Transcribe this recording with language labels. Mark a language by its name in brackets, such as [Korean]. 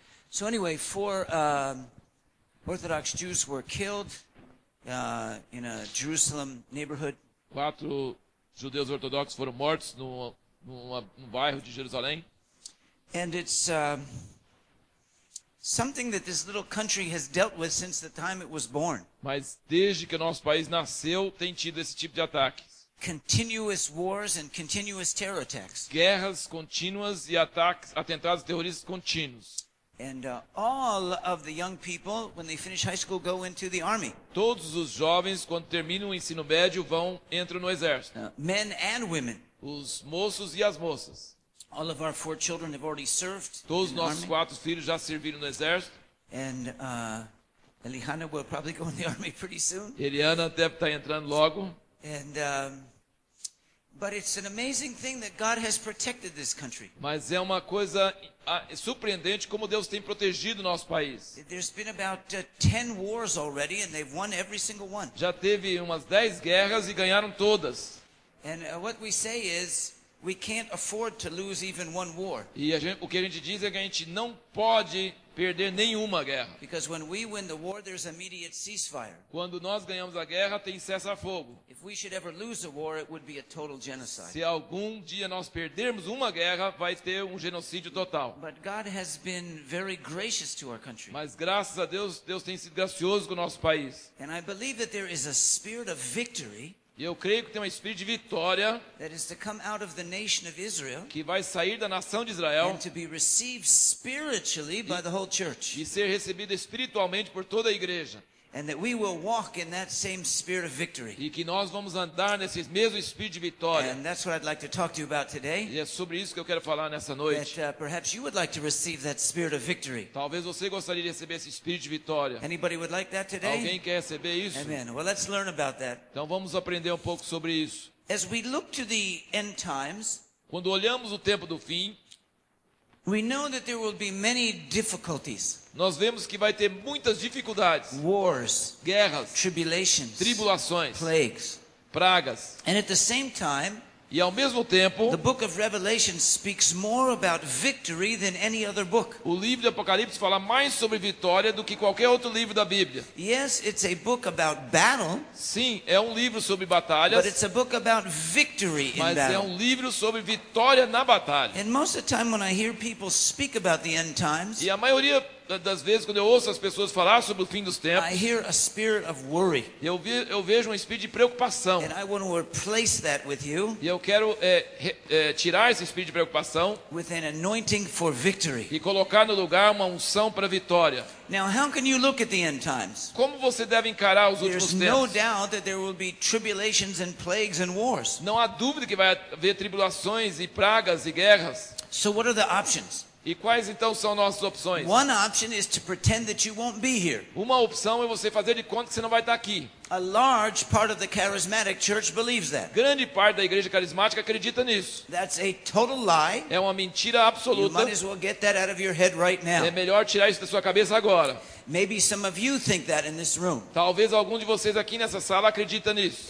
[English] So anyway, four Orthodox Jews were killed in a Jerusalem neighborhood. [Portuguese] Quatro judeus ortodoxos foram mortos num bairro de Jerusalém. [English] And it's something that this little country has dealt with since the time it was born. [Portuguese] Mas desde que o nosso país nasceu, tem tido esse tipo de ataque. [English] Continuous wars and continuous terror attacks. [Portuguese] Guerras contínuas e ataques, atentados terroristas contínuos. [English] And all of the young people, when they finish high school, go into the army. [Portuguese] Todos os jovens, quando terminam o ensino médio, entram no exército. [English] Men and women. [Portuguese] Os moços e as moças. [English] All of our four children have already served. [Portuguese] Todos os nossos quatro filhos já serviram no exército. [English] And Eliana will probably go in the army pretty soon. [Portuguese] Eliana deve estar entrando logo. [English] And but it's an amazing thing that God has protected this country. [Portuguese] Mas é uma coisa surpreendente como Deus tem protegido nosso país. [English] There's been about 10 wars already and they've won every single one. [Portuguese] Já teve umas 10 guerras e ganharam todas. [English] And what we say is we can't afford to lose even one war. [Portuguese] E o que a gente diz é que a gente não pode perder nenhuma guerra. [English] Because when we win the war, there's immediate ceasefire. [Portuguese] Quando nós ganhamos a guerra, tem cessar-fogo. [English] If we should ever lose a war, it would be a total genocide. [Portuguese] Se algum dia nós perdermos uma guerra, vai ter um genocídio total. [English] But God has been very gracious to our country. [Portuguese] Mas graças a Deus, Deus tem sido gracioso com o nosso país. [English] And I believe that there is a spirit of victory. [Portuguese] E eu creio que tem um espírito de vitória [English] that is to come out of the nation of Israel, [Portuguese] que vai sair da nação de Israel [English] and to be received spiritually by the whole church. [Portuguese] E ser recebido espiritualmente por toda a igreja. [English] And that we will walk in that same spirit of victory. [Portuguese] E que nós vamos andar nesse mesmo espírito de vitória. [English] And that's what I'd like to talk to you about today. [Portuguese] E é sobre isso que eu quero falar nessa noite. [English] That, perhaps you would like to receive that spirit of victory. [Portuguese] Talvez você gostaria de receber esse espírito de vitória. [English] Anybody would like that today? [Portuguese] Alguém quer receber isso? [English] Amen. Well, let's learn about that. [Portuguese] Então vamos aprender um pouco sobre isso. [English] As we look to the end times, [Portuguese] quando olhamos o tempo do fim, [English] we know that there will be many difficulties. [Portuguese] Nós vemos que vai ter muitas dificuldades. [English] Wars, [Portuguese] guerras, [English] tribulations, [Portuguese] tribulações, [English] plagues, [Portuguese] pragas. [English] And at the same time, [Portuguese] e ao mesmo tempo, [English] the book of Revelation speaks more about victory than any other book. [Portuguese] O livro de Apocalipse fala mais sobre vitória do que qualquer outro livro da Bíblia. [English] Yes, it's a book about battle. [Portuguese] Sim, é um livro sobre batalhas. [English] But it's a book about victory in battle. [Portuguese] Mas é um livro sobre vitória na batalha. [English] And most of the time when I hear people speak about the end times, [Portuguese] e a maioria das vezes quando eu ouço as pessoas falar sobre o fim dos tempos, [English] I hear a spirit of worry. [Portuguese] Eu vejo um espírito de preocupação. [English] And I want to replace that with you. [Portuguese] E eu quero tirar esse espírito de preocupação [English] with an anointing for victory. [Portuguese] E colocar no lugar uma unção para vitória. [English] Now, how can you look at the end times? [Portuguese] Como você deve encarar os últimos tempos? [English] There's no doubt that there will be tribulations and plagues and wars. [Portuguese] Não há dúvida que vai haver tribulações e pragas e guerras. [English] So what are the options? [Portuguese] E quais então são nossas opções? [English] One option is to pretend that you won't be here. [Portuguese] Uma opção é você fazer de conta que você não vai estar aqui. [English] A large part of the charismatic church believes that. [Portuguese] Grande parte da igreja carismática acredita nisso. [English] That's a total lie. [Portuguese] É uma mentira absoluta. [English] You might as well get that out of your head right now. [Portuguese] É melhor tirar isso da sua cabeça agora. [English] Maybe some of you think that in this room. [Portuguese] Talvez algum de vocês aqui nessa sala acredita nisso.